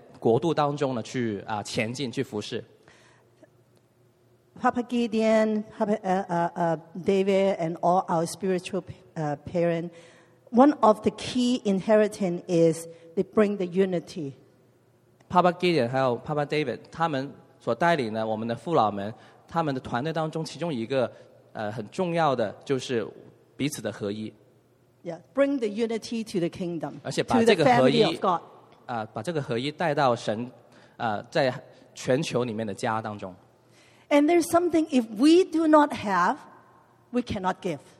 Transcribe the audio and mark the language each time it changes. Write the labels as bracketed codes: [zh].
[zh] 所以当下我们西安教会当中有一个队伍出去去服侍，而且这些年来呢，都一直就是在国度当中呢去前进去服侍。 [en] Papa Gideon, Papa David, and all our spiritual parents, one of the key inheritance is they bring the unity. [zh] Papa Gideon 还有 Papa David, 他们所带领的我们的父老们，他们的团队当中其中一个很重要的就是彼此的合一。 [en] Yeah, bring the unity to the kingdom, [zh] 而且把这个合一, [en] to the family of God. [zh] 把这个合一带到神在全球里面的家当中。 [en] And there's something if we do not have, we cannot give.